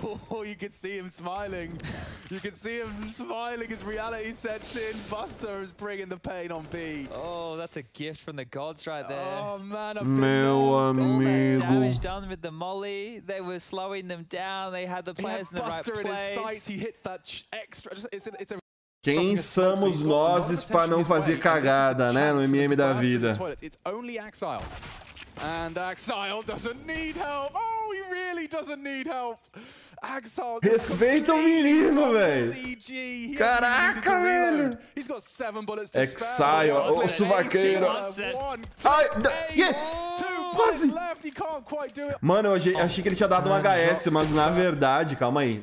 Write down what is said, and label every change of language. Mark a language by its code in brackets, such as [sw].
[en] Oh, you can see him smiling. You can see him smiling as reality sets in. Buster is bringing the pain on B. Oh, that's a gift from the gods right there. Oh, man. [pt] Meu amigo. [en] Damage done with the molly. They were slowing them down. They had the players in the right place. Buster in his sights. He hits that extra. It's a... [pt] Quem somos nós pra não fazer cagada, né? No MM da vida. [en] It's only Axile. And Axile doesn't need help. Oh, he really doesn't need help. Axile. [pt] Respeita o menino, velho. Caraca, velho. [en] He's got 7 bullets to spare. [pt] Axile, o suvaqueiro. Ai, quase. Mano, eu achei que ele tinha dado um HS, mas na verdade, calma aí.